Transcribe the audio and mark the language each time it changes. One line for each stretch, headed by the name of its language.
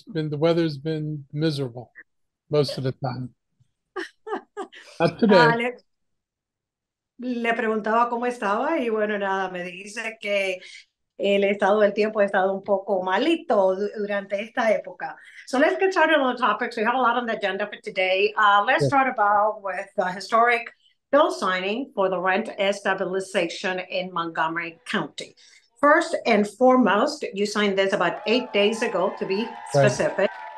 English: The weather's been miserable most of the time. Not today.
Spanish: Le preguntaba cómo estaba y bueno, nada, me dice que el estado del tiempo ha estado un poco malito durante esta época.
English: So let's get started on the topics. We have a lot on the agenda for today. Let's start about with the historic bill signing for the rent stabilization in Montgomery County. First and foremost, you signed this about 8 days ago, to be specific.